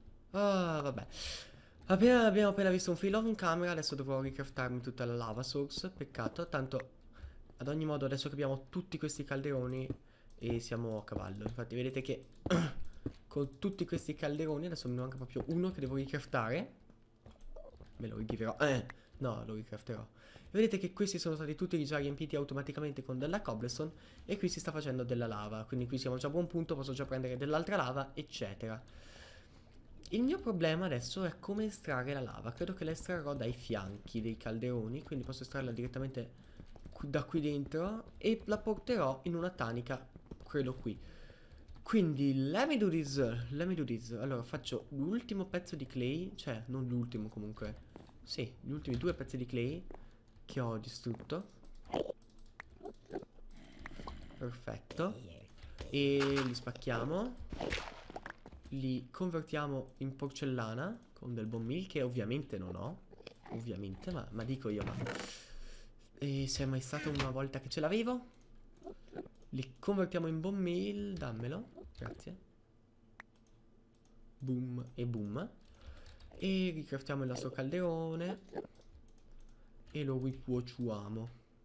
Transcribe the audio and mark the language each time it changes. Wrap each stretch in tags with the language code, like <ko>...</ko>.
<it>Ah, vabbè. Abbiamo appena visto un fill in camera, adesso dovrò ricraftarmi tutta la lava source, peccato, tanto ad ogni modo adesso che abbiamo tutti questi calderoni e siamo a cavallo, infatti vedete che con tutti questi calderoni adesso mi manca proprio uno che devo ricraftare, me lo rigiverò, no, lo ricrafterò, vedete che questi sono stati tutti già riempiti automaticamente con della cobblestone e qui si sta facendo della lava, quindi qui siamo già a buon punto, posso già prendere dell'altra lava, eccetera. Il mio problema adesso è come estrarre la lava. Credo che la estrarrò dai fianchi dei calderoni, quindi posso estrarla direttamente da qui dentro e la porterò in una tanica, credo qui.</it> <en>Quindi, let me do this, let me do this.</en> <it>Allora, faccio l'ultimo pezzo di clay, cioè, non l'ultimo comunque. Sì, gli ultimi due pezzi di clay che ho distrutto. Perfetto. E li spacchiamo. Li convertiamo in porcellana con del bone meal che ovviamente non ho, ovviamente, ma dico io, ma e se è mai stata una volta che ce l'avevo, li convertiamo in bone meal, dammelo, grazie, boom e boom, e ricraftiamo il nostro calderone e lo ricuociamo.</it>